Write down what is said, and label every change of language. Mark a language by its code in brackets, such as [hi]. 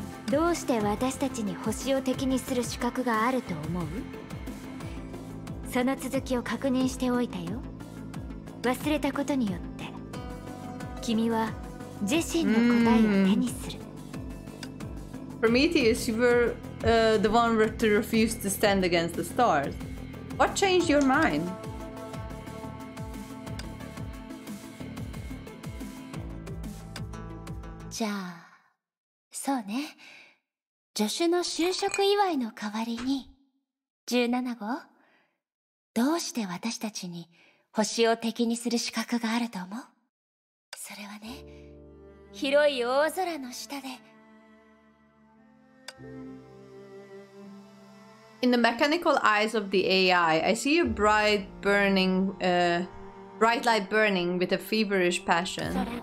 [ja] どうして私たちに星を敵にする資格があると思う？その続きを確認しておいたよ。忘れたことによって君は自身の答えを手にする。 [en] Prometheus, you were the one to refuse to stand against the stars. What changed your mind? [ja] じゃあ、そうね。助手の就職祝いの代わりに、17号、どうして私たちに星を敵にする資格があると思う？それはね、広い大空の下で、 [en] In the mechanical eyes of the AI, I see a bright burning, bright light burning with a feverish passion.